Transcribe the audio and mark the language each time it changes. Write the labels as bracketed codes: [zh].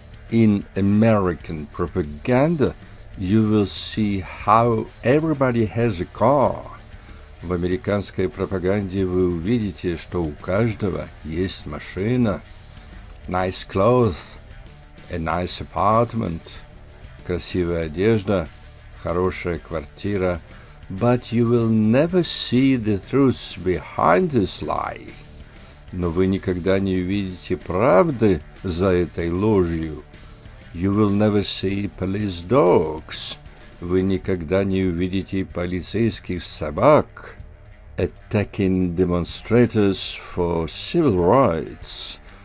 [en] In American propaganda, you will see how everybody has a car. [ru] В американской пропаганде вы увидите, что у каждого есть машина. [en] Nice clothes, a nice apartment. [ru] Красивая одежда, хорошая квартира. [en] But you will never see the truth behind this lie. [ru] Но вы никогда не увидите правды за этой ложью. [en] You will never see police dogs. [ru] Вы никогда не увидите полицейских собак. [en] Attacking demonstrators for civil rights.